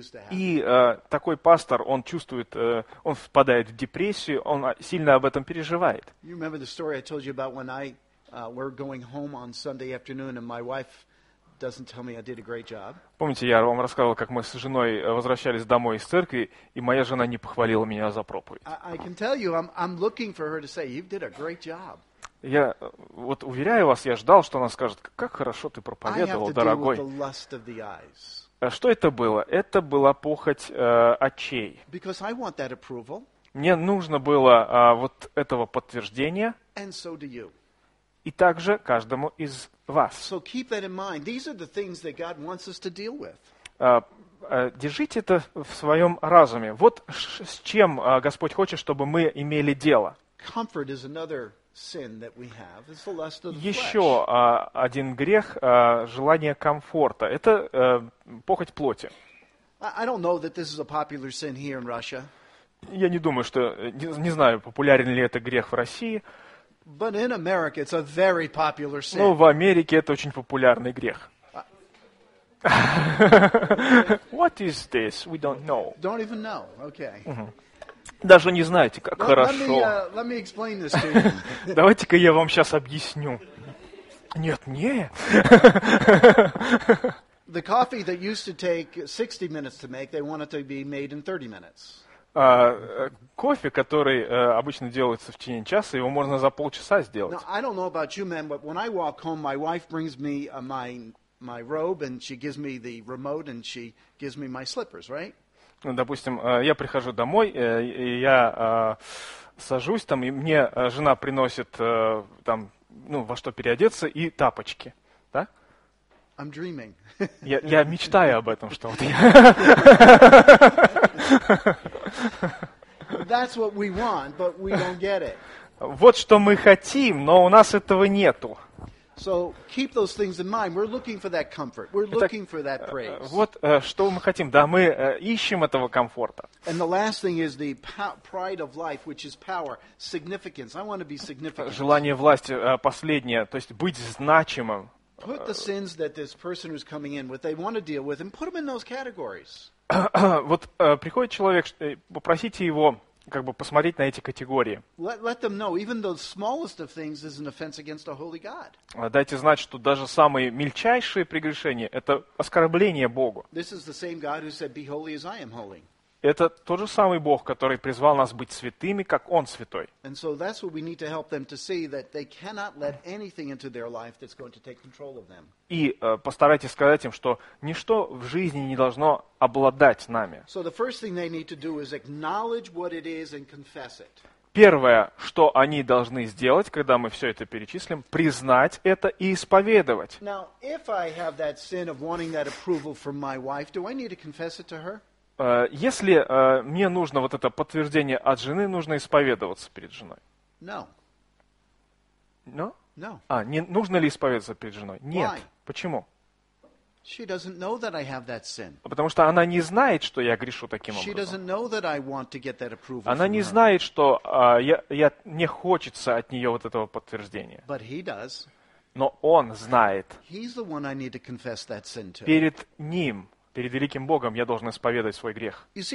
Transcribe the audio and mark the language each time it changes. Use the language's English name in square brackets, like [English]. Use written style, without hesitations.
[Russian] И такой пастор, он чувствует, он впадает в депрессию, он сильно об этом переживает. [English] You remember the story I told you about when I were going home on Sunday afternoon and my wife doesn't tell me I did a great job. [Russian] Помните, я вам рассказывал, как мы с женой возвращались домой из церкви, и моя жена не похвалила меня за проповедь. [English] I can tell you, I'm looking for her to say you did a great job. [Russian] Я вот уверяю вас, я ждал, что она скажет, как хорошо ты проповедовал, дорогой. [English] I have to deal with the lust of the eyes. [Russian] Что это было? Это была похоть очей. [English] Because I want that approval. [Russian] Мне нужно было вот этого подтверждения. [English] And so do you. [Russian] И также каждому из вас. [English] So keep that in mind. These are the things that God wants us to deal with. [Russian] Держите это в своем разуме. Вот с чем Господь хочет, чтобы мы имели дело. [English] Comfort is another sin that we have. It's the lust of the flesh. [Russian] Еще один грех – желание комфорта. Это похоть плоти. [English] I don't know that this is a popular sin here in Russia. [Russian] Я не думаю, что не знаю, популярен ли это грех в России. [English] But in America, it's a very popular sin. [Russian] Ну, в Америке это очень популярный грех. [English] What is this? We don't know. Don't even know. Okay. [Russian] Даже не знаете, как хорошо. [English] Let me explain this to you. [Russian] Давайте-ка я вам сейчас объясню. Нет, не. [English] The coffee that used to take 60 minutes to make, they want it to be made in 30 minutes. [Russian] Кофе, который обычно делается в течение часа, его можно за полчаса сделать. [English] Now, I don't know about you, man, but when I walk home, my wife brings me my robe, and she gives me the remote, and she gives me my slippers, right? [Russian] Ну, допустим, я прихожу домой, и я сажусь там, и мне жена приносит там, ну, во что переодеться, и тапочки, да? [English] I'm dreaming. [Russian] Я мечтаю об этом, что вот я... [English] That's what we want, but we don't get it. [Russian] Вот что мы хотим, но у нас этого нету. [English] So keep those things in mind. We're looking for that comfort. We're looking for that praise. [Russian] Вот что мы хотим. Да, мы ищем этого комфорта. [English] And the last thing is the pride of life, which is power, significance. I want to be significant. [Russian] Желание власти последнее, то есть быть значимым. [English] Put the sins that this person who's coming in with, they want to deal with, and put them in those categories. [Russian] Вот приходит человек, попросите его как бы посмотреть на эти категории. [English] Let them know, even the smallest of things is an offense against a holy God. [Russian] Дайте знать, что даже самые мельчайшие прегрешения – это оскорбление Богу. [English] This is the same God who said, be holy as I am holy. [Russian] Это тот же самый Бог, который призвал нас быть святыми, как Он святой. [English] And so that's what we need to help them to see, that they cannot let anything into their life that's going to take control of them. [Russian] И постарайтесь сказать им, что ничто в жизни не должно обладать нами. [English] So the first thing they need to do is acknowledge what it is and confess it. [Russian] Первое, что они должны сделать, когда мы все это перечислим, признать это и исповедовать. [English] Now, if I have that sin of wanting that approval from my wife, do I need to confess it to her? [Russian] Если мне нужно вот это подтверждение от жены, нужно исповедоваться перед женой. [English] No. No? No. [Russian] Не, нужно ли исповедоваться перед женой? Нет. [English] Why? [Russian] Почему? [English] She doesn't know that I have that sin. [Russian] Потому что она не знает, что я грешу таким [English] She [Russian] образом. [English] Doesn't know that I want to get that approval [Russian] она не [English] her. [Russian] Знает, что мне хочется от нее вот этого подтверждения. [English] But he does. [Russian] Но он знает. [English] He's the one I need to confess that sin to. [Russian] Перед ним. Перед великим Богом я должен исповедовать свой грех.